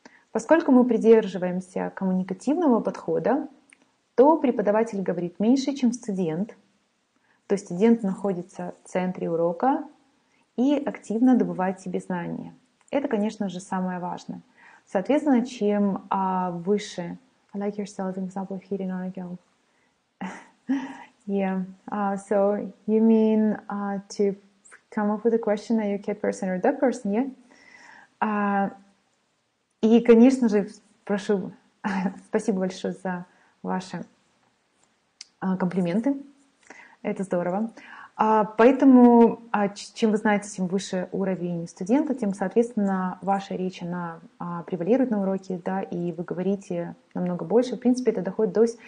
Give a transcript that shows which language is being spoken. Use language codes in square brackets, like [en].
[ru] Поскольку мы придерживаемся коммуникативного подхода, то преподаватель говорит меньше, чем студент, то студент находится в центре урока и активно добывает себе знания. Это, конечно же, самое важное. Соответственно, чем выше... [en] I like yourself, example of hitting on a girl. Yeah. So you mean to come up with a question, are you a cat person or a dog person? Yeah. [ru] И, конечно же, прошу, спасибо большое за ваши комплименты. Это здорово. Поэтому чем вы знаете, тем выше уровень студента, тем, соответственно, ваша речь, она превалирует на уроке, да, и вы говорите намного больше. В принципе, это доходит до...